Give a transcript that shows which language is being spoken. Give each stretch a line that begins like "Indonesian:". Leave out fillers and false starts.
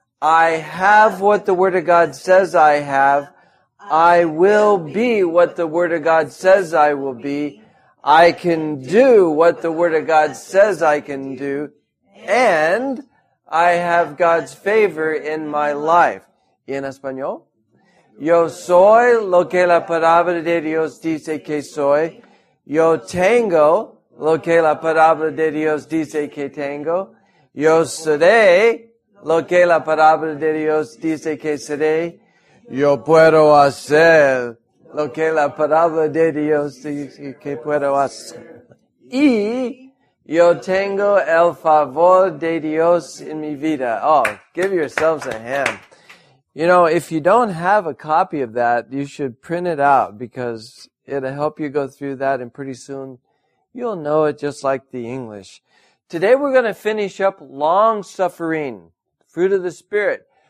English: I have what the Word of God says I have. I will be what the Word of God says I will be. I can do what the Word of God says I can do. And I have God's favor in my life.
Spanish: ¿Y en español? Yo soy lo que la palabra de Dios dice que soy. Yo tengo lo que la palabra de Dios dice que tengo. Yo seré lo que la palabra de Dios dice que seré. Yo puedo hacer lo que la palabra de Dios dice que puedo hacer. Y yo tengo el favor de Dios en mi vida.
English: Oh, give yourselves a hand. You know, if you don't have a copy of that, you should print it out, because it'll help you go through that, and pretty soon you'll know it just like the English. Today we're going to finish up long-suffering, fruit of the Spirit.